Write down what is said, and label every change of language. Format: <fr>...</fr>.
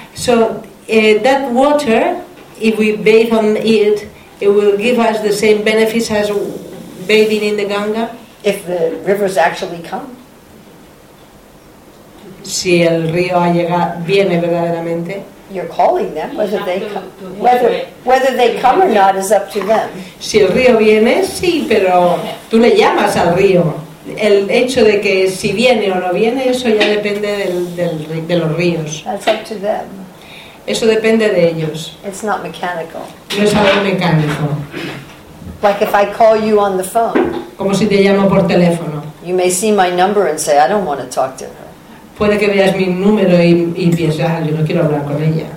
<en>So that water, if we bathe on it, it will give us the same benefits as bathing in the Ganga. If the rivers actually come.</en> <es>Si el río ha llegado, viene verdaderamente.</es> <en>You're calling them, whether they come, whether they come or not is up to them.</en> <es>Si el río viene, sí, pero tú le llamas al río. El hecho de que si viene o no viene, eso ya depende de los ríos.</es> <en>That's up to them.</en> <es>Eso depende de ellos.</es> <en>It's not mechanical.</en> <es>No es algo mecánico.</es> <en>Like if I call you on the phone.</en> <es>Como si te llamo por teléfono.</es> <en>You may see my number and say, I don't want to talk to her.</en> <es>Puede que veas mi número y pienses, ah, yo no quiero hablar con ella.</es>